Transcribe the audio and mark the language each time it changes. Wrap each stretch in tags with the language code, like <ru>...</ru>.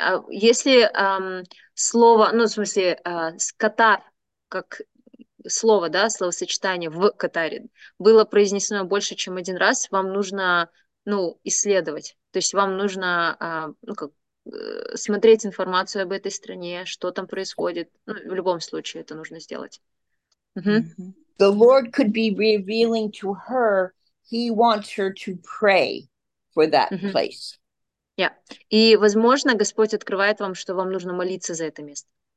<ru>Если слово, ну, в смысле, Катар, как слово, да, словосочетание в Катаре было произнесено больше, чем один раз, вам нужно, ну, исследовать. То есть вам нужно, ну, как, смотреть информацию об этой стране, что там происходит. Ну, в любом случае это нужно сделать.</ru> <en>The Lord could be revealing to her. He wants her to pray for that place. Yeah.</en> <ru>И, возможно, Господь открывает вам, что вам нужно молиться за это место.</ru>